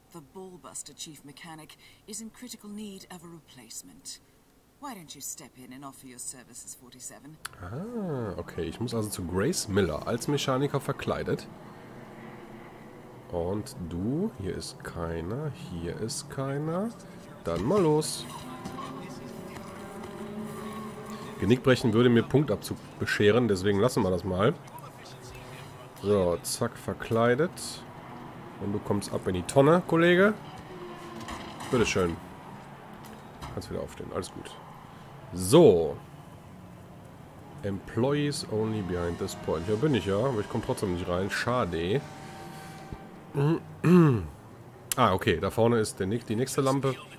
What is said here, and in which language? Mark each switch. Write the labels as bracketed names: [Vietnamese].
[English] The Ballbuster Chief Mechanic is in critical need of a replacement. Why don't you step in and offer your services, 47? Ah, okay. [German] Ich muss also zu Grace Miller als Mechaniker verkleidet. Und du? Hier ist keiner. Hier ist keiner. Dann mal los. Genickbrechen würde mir Punktabzug bescheren, deswegen lassen wir das mal. So, zack, verkleidet. Und du kommst ab in die Tonne, Kollege. Bitteschön. Kannst wieder aufstehen. Alles gut. So. [English] Employees only behind this point. [German] Ja, bin ich ja. Aber ich komme trotzdem nicht rein. Schade. Ah, okay. Da vorne ist die nächste Lampe.